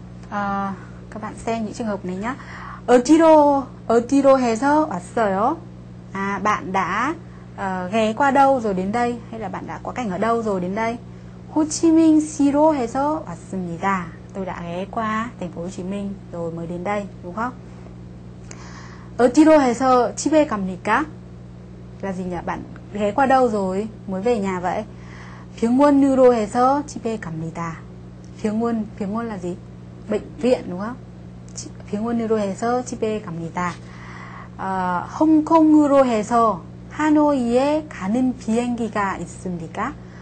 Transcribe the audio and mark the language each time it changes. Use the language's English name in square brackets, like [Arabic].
[Vietnamese] 아, các bạn xem những trường hợp này nhá. [Korean] 어디로 해서 왔어요? [Vietnamese] 아, bạn đã ghé qua đâu rồi đến đây, hay là bạn đã quá cảnh ở đâu rồi đến đây? [Korean] 호치민시로 해서 왔습니다. [Vietnamese] Tôi đã ghé qua thành phố Hồ Chí Minh rồi mới đến đây, đúng không? [Korean] 어디로 해서 집에 갑니까? [Vietnamese] Là gì nhỉ? Bạn ghé qua đâu rồi mới về nhà vậy? [Korean] 병원으로 해서 집에 갑니다. [Vietnamese] 병원 là gì? Bệnh viện, đúng không? [Korean] 병원으로 해서 집에 갑니다. 홍콩으로 해서 하노이에 가는 비행기가 있습니까?